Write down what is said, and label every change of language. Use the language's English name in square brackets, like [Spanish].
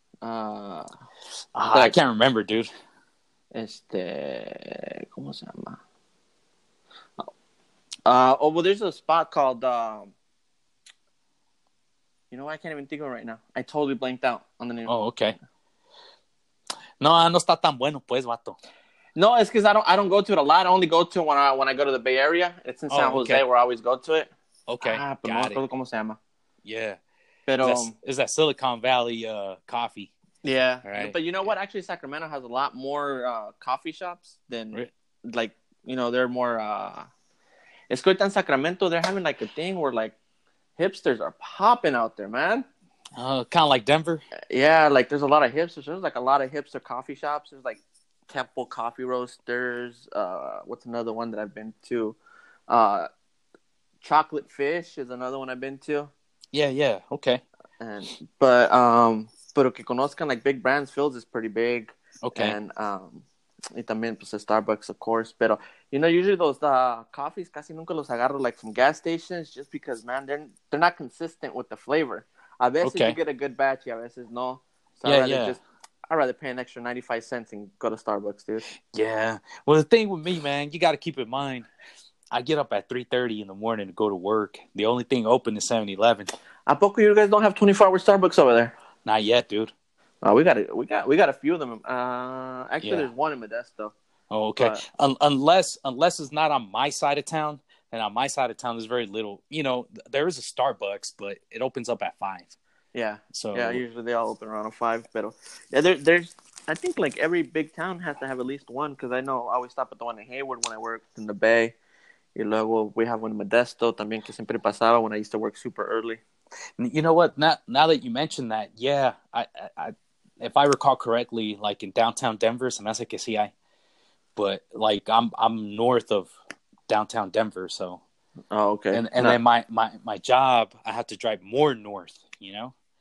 [English] I can't remember, dude. [Spanish] ¿Cómo se llama? [English] Well, there's a spot called, you know what? I can't even think of it right now. I totally blanked out on the name. Oh, okay. [Spanish] No está tan bueno, pues, vato. [English] No, it's because I don't go to it a lot. I only go to it when I go to the Bay Area. It's in San Jose, okay, where I always go to it. Okay, [Spanish] got it. ¿Cómo se llama? [English] Yeah. [Spanish] Pero, [English] is that Silicon Valley coffee? Yeah. Right. But you know what? Actually, Sacramento has a lot more coffee shops than, like, you know, they're more... [Spanish] Escuela en [English] Sacramento, they're having, like, a thing where, like, hipsters are popping out there, man. Kind of like Denver? Yeah, like, there's a lot of hipsters. There's, like, a lot of hipster coffee shops. There's, like, Temple Coffee Roasters. What's another one that I've been to? Chocolate Fish is another one I've been to. Yeah, yeah, okay. But [Spanish] que conozcan, [English] like, big brands, Phil's is pretty big. Okay. And, [Spanish] y también, pues, [English] Starbucks, of course. Pero, you know, usually those coffees, [Spanish] casi nunca los agarro, [English] like, from gas stations, just because, man, they're not consistent with the flavor. [Spanish] A veces [English] okay. you get a good batch, [Spanish] y a veces no. [English] So yeah, I'd rather pay an extra 95 cents and go to Starbucks, dude. Yeah. Well, the thing with me, man, you got to keep in mind, I get up at 3:30 in the morning to go to work. The only thing open is 7-Eleven. [Spanish] ¿A poco [English] you guys don't have 24-hour Starbucks over there? Not yet, dude. Oh, we got a few of them. Actually, yeah. There's one in Modesto. Oh, okay. But... Unless it's not on my side of town, and on my side of town there's very little. You know, there is a Starbucks, but it opens up at 5. Yeah. So yeah, usually they all open around 5. But yeah, there's I think like every big town has to have at least one, because I know I always stop at the one in Hayward when I worked in the Bay. [Spanish] Y luego [English] we have one in Modesto [Spanish] también que siempre pasaba [English] when I used to work super early. You know what? Now that you mentioned that, yeah, I if I recall correctly, like in downtown Denver, [Spanish] se me hace que sí hay, [English] but like I'm north of downtown Denver, so. Oh, okay. And then my job, I have to drive more north, you know.